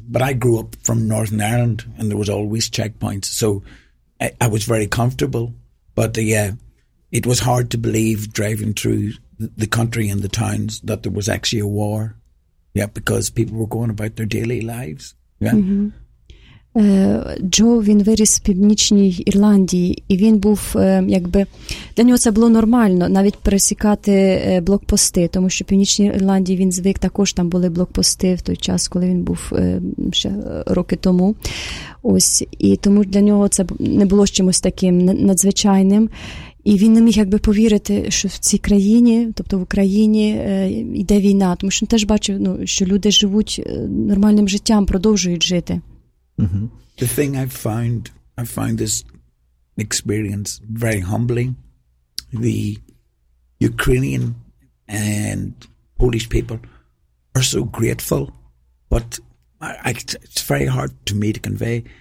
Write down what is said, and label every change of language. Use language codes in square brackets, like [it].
[en] But I grew up from Northern Ireland, and there was always checkpoints. So I was very comfortable. But it was hard to believe driving through the country and the towns that there was actually a war. Yeah, because people were going about their daily lives. Yeah. Mm-hmm. [uk] Джо, він виріс в Північній Ірландії, і він був, для нього це було нормально, навіть пересікати блокпости, тому що в Північній Ірландії він звик, також там були блокпости в той час, коли він був ще роки тому. Ось, і тому для нього це не було чимось таким надзвичайним, і він не міг повірити, що в цій країні, тобто в Україні, йде війна, тому що він теж бачив, що люди живуть нормальним життям, продовжують жити. Mm-hmm. [en] The thing I found this experience very humbling. The Ukrainian and Polish people are so grateful, but it's very hard to me to convey.